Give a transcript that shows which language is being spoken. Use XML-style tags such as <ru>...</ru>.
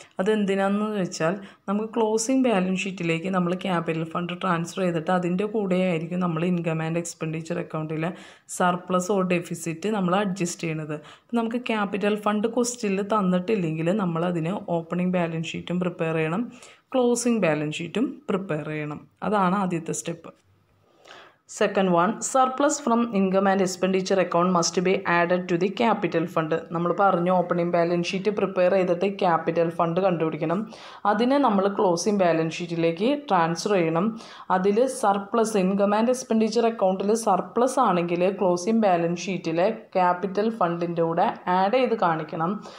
<ml>അതെന്തിനാന്ന് വെച്ചാൽ നമുക്ക് closing balance ഷീറ്റിലേക്ക് നമ്മൾ ക്യാപിറ്റൽ ഫണ്ട് ട്രാൻസ്ഫർ ചെയ്തിട്ട് അതിൻ്റെ കൂടെ ആയിരിക്കും നമ്മൾ ഇൻകം ആൻഡ് എക്സ്പെൻഡിച്ചർ അക്കൗണ്ടിലെ സർപ്ലസ് ഓർ ഡെഫിസിറ്റ് നമ്മൾ അഡ്ജസ്റ്റ് ചെയ്യുന്നത്. നമുക്ക് ക്യാപിറ്റൽ ഫണ്ട് ക്വസ്റ്റ്യനിൽ തന്നിട്ടില്ലെങ്കിൽ നമ്മളതിന് ഓപ്പണിംഗ് ബാലൻസ് ഷീറ്റും പ്രിപ്പയർ ചെയ്യണം, ക്ലോസിംഗ് ബാലൻസ് ഷീറ്റും പ്രിപ്പയർ ചെയ്യണം. അതാണ് ആദ്യത്തെ step.</ml> <en>Second one, surplus from income and expenditure account must be added to the capital fund.</en> <ml>നമ്മൾ പറഞ്ഞു ഓപ്പണിംഗ് ബാലൻസ് ഷീറ്റ് പ്രിപ്പയർ ചെയ്തിട്ട് ക്യാപിറ്റൽ ഫണ്ട് കണ്ടുപിടിക്കണം. അതിനെ നമ്മൾ ക്ലോസിംഗ് ബാലൻസ് ഷീറ്റിലേക്ക് ട്രാൻസ്ഫർ ചെയ്യണം. അതിൽ സർപ്ലസ് ഇൻകം ആൻഡ് എക്സ്പെൻഡിച്ചർ അക്കൗണ്ടിൽ സർപ്ലസ് ആണെങ്കിൽ ക്ലോസിംഗ് ബാലൻസ് ഷീറ്റിലെ ക്യാപിറ്റൽ ഫണ്ടിൻ്റെ കൂടെ ആഡ് ചെയ്ത് കാണിക്കണം.</ml>